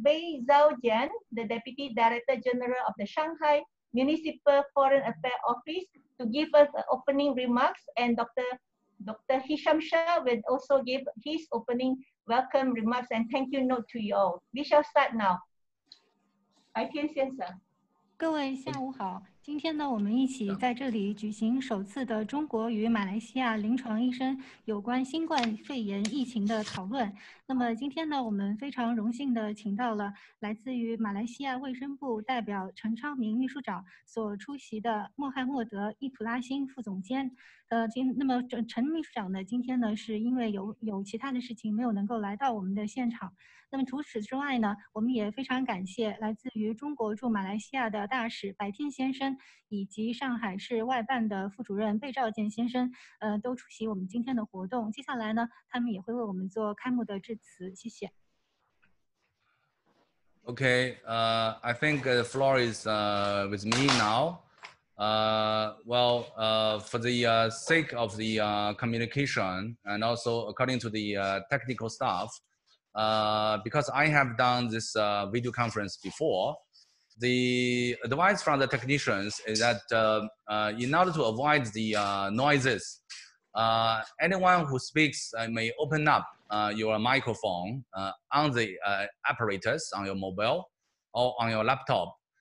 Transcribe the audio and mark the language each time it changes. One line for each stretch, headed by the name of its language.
English: Bei Zhaojian, the Deputy Director General of the Shanghai Municipal Foreign Affairs Office, to give us opening remarks, and Dr. Hisham Shah will also give his opening welcome remarks and thank you note to you all. We shall start now. Bei Tian 先生。
Chinese: 各位下午好，今天呢，我们一起在这里举行首次的中国与马来西亚临床医生有关新冠肺炎疫情的讨论。那么今天呢，我们非常荣幸地请到了来自于马来西亚卫生部代表陈昌明秘书长所出席的穆罕默德·伊普拉辛副总监。那么陈秘书长呢，今天呢是因为有其他的事情没有能够来到我们的现场。那么除此之外呢，我们也非常感谢来自于中国驻马来西亚的大使白天先生，以及上海市外办的副主任贝兆健先生，都出席我们今天的活动。接下来呢，他们也会为我们做开幕的致辞。谢谢。
English: Okay, I think the floor is with me now. Well, for the sake of the communication and also according to the technical staff. Because I have done this video conference before, the advice from the technicians is that in order to avoid the noises, anyone who speaks may open up your microphone on the apparatus, on your mobile, or on your laptop.